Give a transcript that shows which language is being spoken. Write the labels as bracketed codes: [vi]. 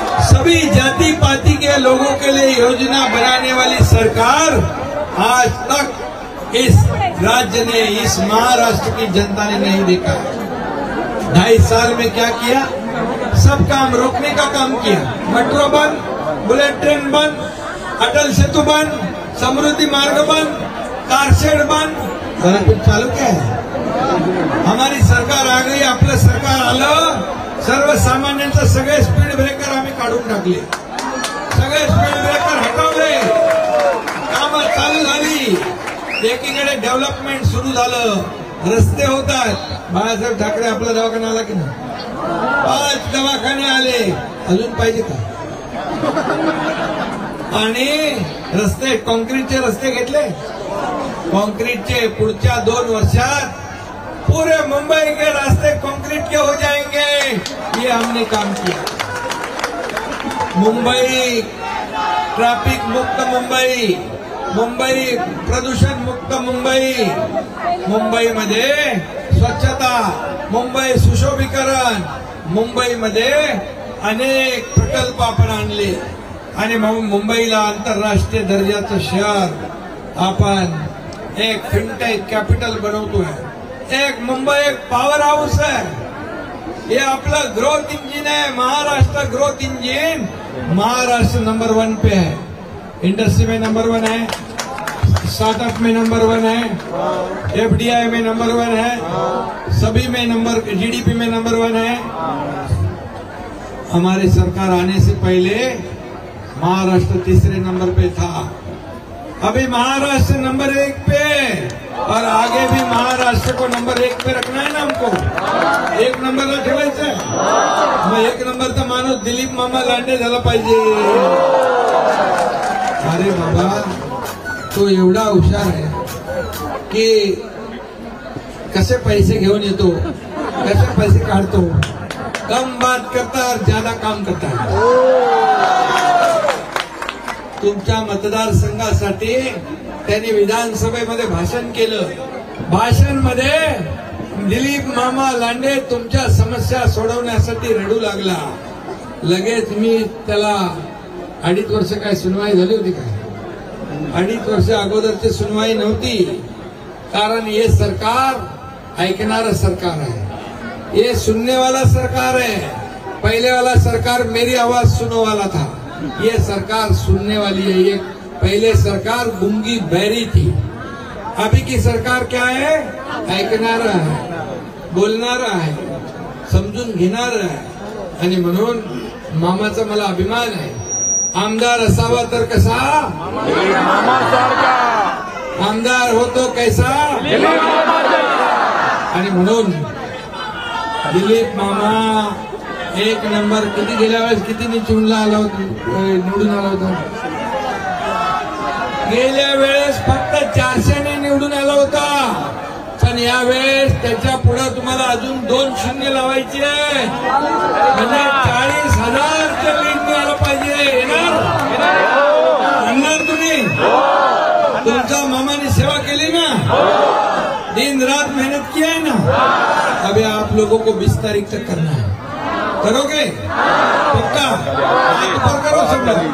[hi] सभी जाति पाति के लोगों के लिए योजना बनाने वाली सरकार आज तक इस राज्य ने, इस महाराष्ट्र की जनता ने नहीं देखा। 2.5 साल में क्या किया? सब काम रोकने का काम किया, मेट्रो बंद, बुलेट ट्रेन बंद, अटल सेतु बंद, समृद्धि मार्ग बंद, कार शेड बंद, चालू क्या है? हमारी सरकार आ गई, [mr] आपला सरकार आलो, सर्व सामान्यांचा सगळे स्पीड ब्रेकर आम्ही काढून टाकले, सगळे स्पीड ब्रेकर हटवले, कामं चालू झाली, एकीकडे डेव्हलपमेंट सुरू झालं, रस्ते होतात। बाळासाहेब ठाकरे आपला दवाखाना आला की नाही? 5 दवाखाने आले, अजून पाहिजे का? आणि रस्ते, कॉन्क्रीटचे रस्ते घेतले, कॉन्क्रीटचे पुढच्या 2 वर्षात [hi] पूरे मुंबई के रास्ते कॉन्क्रीट के हो जाएंगे, ये हमने काम किया। [mr] मुंबई ट्रैफिक मुक्त मुंबई, मुंबई प्रदूषण मुक्त मुंबई, मुंबई मध्ये स्वच्छता, मुंबई सुशोभीकरण, मुंबई मध्ये अनेक प्रकल्प आपण आणले, आणि मुंबईला आंतरराष्ट्रीय दर्जाचं शहर आपण एक फिनटेक कॅपिटल बनवतोय। [hi] एक मुंबई एक पावर हाउस है, ये आपला ग्रोथ इंजिन है, Maharashtra growth engine, Maharashtra number 1 पे है, इंडस्ट्री में नंबर 1 है, स्टार्टअप में नंबर 1 है, FDI में नंबर 1 है, सभी में नंबर, GDP में नंबर 1 है। हमारी सरकार आने से पहले महाराष्ट्र 3रे नंबर पे था, अभी महाराष्ट्र नंबर 1 पे, और आगे भी महाराष्ट्र को नंबर 1 पे रखना है ना हमको, [mr] एक नंबर ना ठेवायचं [hi] है। [mr] मैं एक नंबर तो मानो दिलीप मामा लांडे झाला पाहिजे। अरे बाबा, तो एवढा हुशार है कि कसे पैसे घेऊन येतो, कसे पैसे काढतो, [hi] कम बात करता और ज्यादा काम करता है। [mr] तुमच्या मतदारसंघासाठी त्यांनी विधानसभेमध्ये भाषण केलं, भाषणमध्ये दिलीप मामा लांडे तुमच्या समस्या सोडवण्यासाठी रडू लागला। लगेच मी त्याला 2.5 वर्ष काय सुनवाई झाली होती काय? 2.5 वर्ष अगोदरची सुनवाई नव्हती, कारण हे सरकार ऐकणारं सरकार आहे, हे सुननेवाला सरकार आहे। [hi] पहिलेवाला सरकार मेरी आवाज सुनोवाला था, ये सरकार सुनने वाली है। ये पहले सरकार गुंगी बैरी थी, अभी की सरकार क्या है? ऐकना रहा है, बोलना रहा है, समझून घेना रहा है, [mr] आणि म्हणून मामाचा मला अभिमान [hi] है। [mr] आमदार असावा तर कसा? [hi] आमदार हो तो कैसा? [mr] आणि म्हणून दिलीप मामा 1 नंबर किती गेल्या वेळेस किती निवडून आला होता? गेल्या वेळेस फक्त 400 निवडून आला होता, पण या वेळेस त्याच्या पुढे तुम्हाला अजून 2 शून्य लावायची आहे, 40,000 मिळायला पाहिजे। येणार तुम्ही? तुमच्या मामानी सेवा केली ना, [hi] दिन रात मेहनत किया ना, अभी आप लोगों को 20 तारीख तक करना है। करोगे? पक्का पर करो सब।